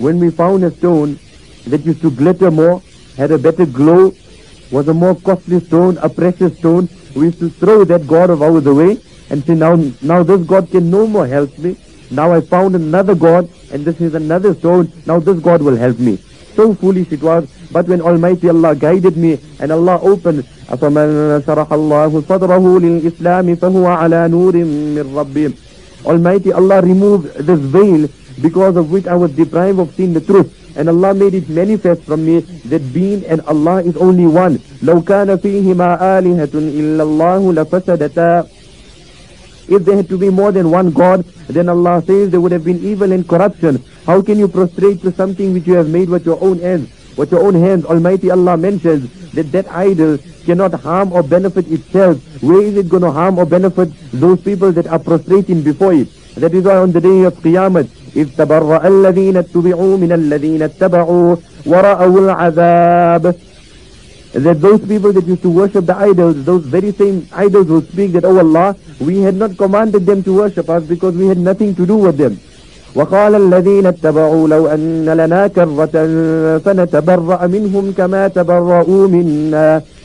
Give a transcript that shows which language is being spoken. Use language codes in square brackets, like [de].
[en] When we found a stone that used to glitter more, had a better glow, was a more costly stone, a precious stone, we used to throw that god of ours away and say, now this god can no more help me. Now I found another god and this is another stone. Now this god will help me. So foolish it was. But when Almighty Allah guided me and Allah opened, [ar] أَفَمَنْ شَرَحَ اللَّهُ صَدْرَهُ لِلْإِسْلَامِ فَهُوَ عَلَى نُورٍ مِّنْ رَبِّهِ. [en] Almighty Allah removed this veil because of which I was deprived of seeing the truth. And Allah made it manifest from me that being and Allah is only one. [ar] لَوْ كَانَ فِيهِمَا آلِهَةٌ إِلَّا اللَّهُ لَفَسَدَتَا. [en] If there had to be more than one God, then Allah says there would have been evil and corruption. How can you prostrate to something which you have made with your own hands? With your own hands, Almighty Allah mentions that idol cannot harm or benefit itself. Where is it going to harm or benefit those people that are prostrating before it? That is why on the day of Qiyamah, [ar] إِذْ تَبَرَّأَ الَّذِينَ اتُّبِعُوا مِنَ الَّذِينَ اتَّبَعُوا وَرَأَوُوا الْعَذَابِ. [en] That those people that used to worship the idols, those very same idols who speak that, oh Allah, we had not commanded them to worship us because we had nothing to do with them. [ar] وَقَالَ الَّذِينَ اتَّبَعُوا لَوْ أَنَّ لَنَا كَرَّةً فَنَتَبَرَّأَ مِنْهُمْ كَمَا تَبَرَّأُوا مِنَّا.